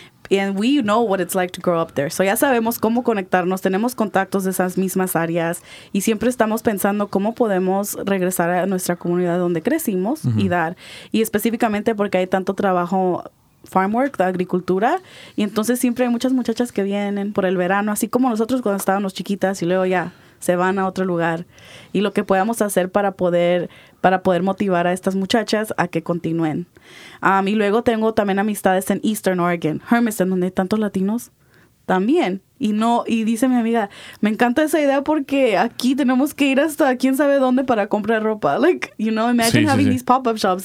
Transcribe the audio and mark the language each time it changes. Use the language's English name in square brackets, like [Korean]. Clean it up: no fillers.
[English] And we know what it's like to grow up there. [Spanish] So ya sabemos cómo conectarnos, tenemos contactos de esas mismas áreas, y siempre estamos pensando cómo podemos regresar a nuestra comunidad donde crecimos uh-huh. y dar. Y específicamente porque hay tanto trabajo farm work, de agricultura, y entonces siempre hay muchas muchachas que vienen por el verano, así como nosotros cuando estábamos chiquitas, y luego ya se van a otro lugar. Y lo que podamos hacer para poder motivar a estas muchachas a que continúen. Y luego tengo también amistades en Eastern Oregon, Hermiston, donde hay tantos latinos también. Y dice mi amiga, me encanta esa idea porque aquí tenemos que ir hasta quién sabe dónde para comprar ropa. [English] Like, you know, imagine having these pop-up shops.